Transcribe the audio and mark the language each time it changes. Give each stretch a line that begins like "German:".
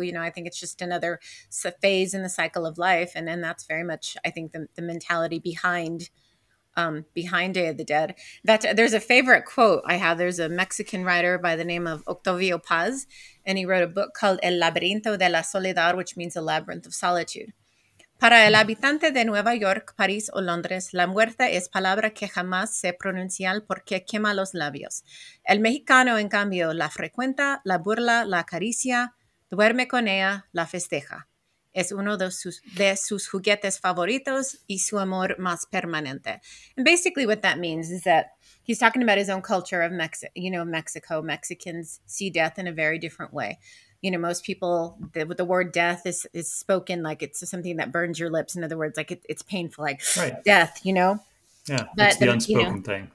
English: You know, I think it's just another phase in the cycle of life. And then that's very much, I think, the mentality behind Day of the Dead. That there's a favorite quote I have. There's a Mexican writer by the name of Octavio Paz, and he wrote a book called El Laberinto de la Soledad, which means a labyrinth of solitude.
Spanish: Para el habitante de Nueva York, París o Londres, la muerte es palabra que jamás se pronuncia porque quema los labios. El mexicano, en cambio, la frecuenta, la burla, la acaricia, duerme con ella, la festeja. Es uno de sus juguetes favoritos y su amor más permanente.
English: And basically what that means is that he's talking about his own culture of Mexico. Mexicans see death in a very different way. You know, most people, the word death is spoken like it's something that burns your lips. In other words, like it's painful, like death, you know? Yeah, but it's the unspoken thing.